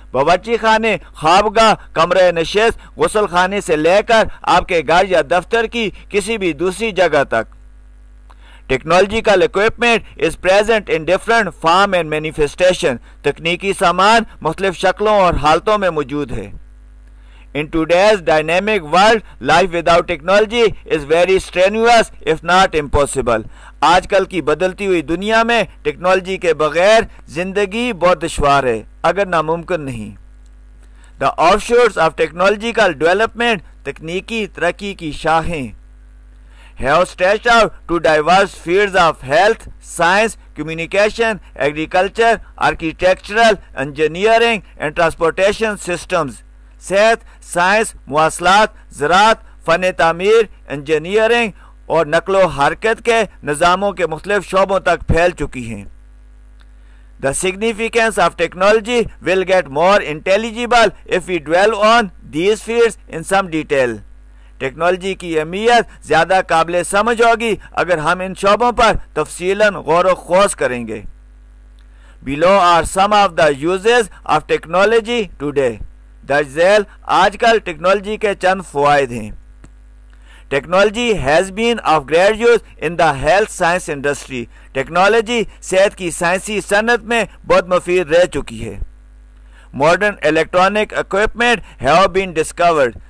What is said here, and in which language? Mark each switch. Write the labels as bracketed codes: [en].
[ur] باورچی خانے، خوابگاہ، کمرہ نشست، غسل خانے سے لے کر آپ کے گھر یا دفتر کی کسی بھی دوسری جگہ تک. [en] Technological equipment is present in different form and manifestation. [ur] تکنیکی سامان مختلف شکلوں اور حالتوں میں موجود ہے. [en] In today's dynamic world, life without technology is very strenuous, if not impossible. [ur] آج کل کی بدلتی ہوئی دنیا میں ٹیکنالوجی کے بغیر زندگی بہت دشوار ہے اگر ناممکن نہیں. [en] The offshoots of technological development, [ur] تکنیکی ترقی کی شاخیں, [en] have stretched out to diverse fields of health, science, communication, agriculture, architectural, engineering and transportation systems. [ur] صحت, سائنس, مواصلات, زراعت, فن تعمیر, انجینئرنگ اور نقل و حرکت کے نظاموں کے مختلف شعبوں تک پھیل چکی ہیں. [en] The significance of technology will get more intelligible if we dwell on these fields in some detail. [ur] Technology کی اہمیت زیادہ قابل سمجھ ہوگی اگر ہم ان شعبوں پر تفصیلاً غور و خوض کریں گے. [en] Below are some of the uses of technology today. [ur] درج ذیل آج کل ٹیکنالوجی کے چند فوائد ہیں. [en] Technology has been of great use in the health science industry. [ur] Technology صحت کی سائنسی صنعت میں بہت مفید رہ چکی ہے. [en] Modern electronic equipment have been discovered.